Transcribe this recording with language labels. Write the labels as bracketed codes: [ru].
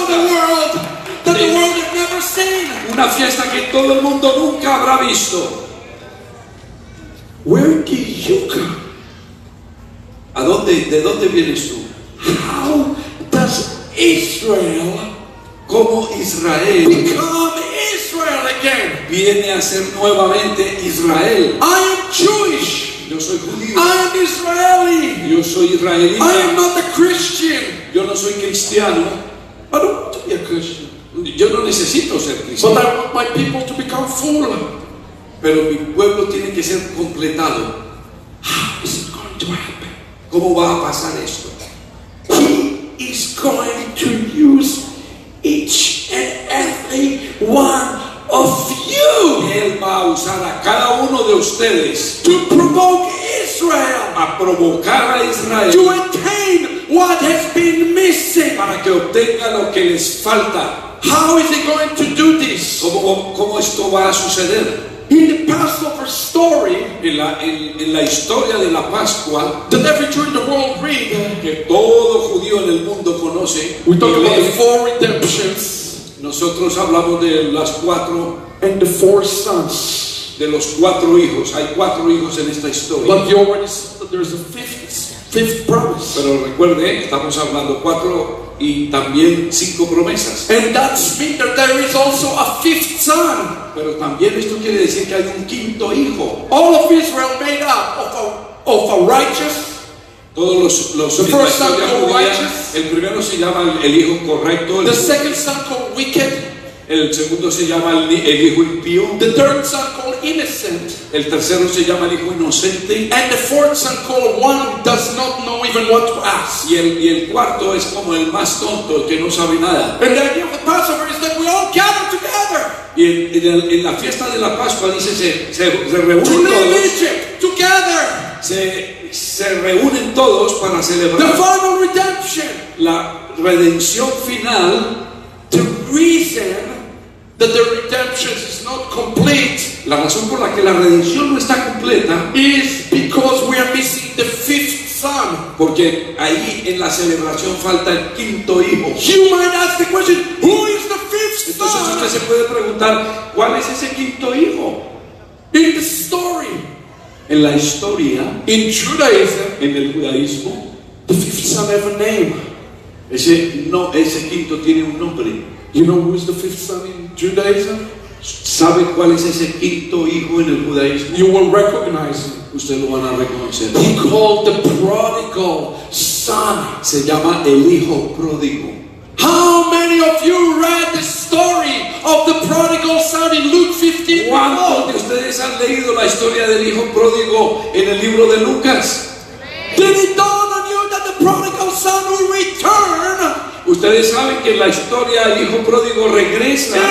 [en] over the world that the world has never seen. [es] Una fiesta que todo el mundo nunca habrá visto. [en] Where did you come? [es] ¿A dónde? ¿De dónde vienes tú? [en] How does Israel, [es] como Israel, [en] become Israel again? [es] Viene a ser nuevamente Israel. [en] I am Jewish. [es] Yo soy judío. [en] I am Israeli. [es] Yo soy israelí. [en] I am not a Christian. [es] Yo no soy cristiano. [en] I don't want to be a Christian. [es] Yo no necesito ser cristiano. [en] But I want my people to become full. [es] Pero mi pueblo tiene que ser completado. [en] How is it going to happen? [es] ¿Cómo va a pasar esto? [en] He is going to use each and every one of you. [es] Él va a usar a cada uno de ustedes. [en] To provoke Israel. [es] A provocar a Israel. [en] To attain what has been missing. [es] Para que obtenga lo que les falta. [en] How is he going to do this? [es] ¿Cómo esto va a suceder? [en] In the Passover story, [es] en la historia de la Pascua, [en] that every Jew in the world read, [es] que todo judío en el mundo conoce, [en] we talk about the four redemptions. [es] Nosotros hablamos de las cuatro, [en] and the four sons, [es] de los cuatro hijos. Hay cuatro hijos en esta historia. [en] But you already said that there's a fifth promise. [es] Pero recuerde, estamos hablando cuatro y también cinco promesas. [en] And that means that there is also a fifth son. [es] Pero también esto quiere decir que hay un quinto hijo. [en] All of Israel made up of a righteous. [es] Todos los [en] the first son called righteous. [es] El primero se llama el hijo correcto. [en] The second son called wicked. [es] El segundo se llama el hijo impío. [en] The third son called innocent. [es] El tercero se llama el hijo inocente. [en] And the fourth son called one does not know even what to ask. [es] Y el cuarto es como el más tonto, que no sabe nada. [en] And the idea of the Passover is that we all gather together. [es] Y en la fiesta de la Pascua dice se reúnen [en] to [es] todos. [en] Egypt, together. [es] Se reúnen todos para celebrar [en] the final redemption. [es] La redención final. [en] The reason that the redemption is not complete, [es] la razón por la que la redención no está completa, [en] is because we are missing the fifth son. [es] Porque ahí en la celebración falta el quinto hijo. [en] You might ask the question, who is the fifth son? [es] Entonces usted se puede preguntar, ¿cuál es ese quinto hijo? [en] In the story, [es] en la historia, [en] in Judaism, [es] en el judaísmo, [en] the fifth son has a name. [es] Ese quinto tiene un nombre. [en] You know who is the fifth son in Judaism? [es] ¿Sabe cuál es ese quinto hijo en el judaísmo? [en] You will recognize him. [es] Usted lo van a reconocer. [en] He called the prodigal son. [es] Se llama el hijo pródigo. [en] How many of you read the story of the prodigal son in Luke 15? [es] ¿Cuántos de ustedes han leído la historia del hijo pródigo en el libro de Lucas? [en] Did it dawn on you that the prodigal son will return? [es] Ustedes saben que en la historia el hijo pródigo regresa.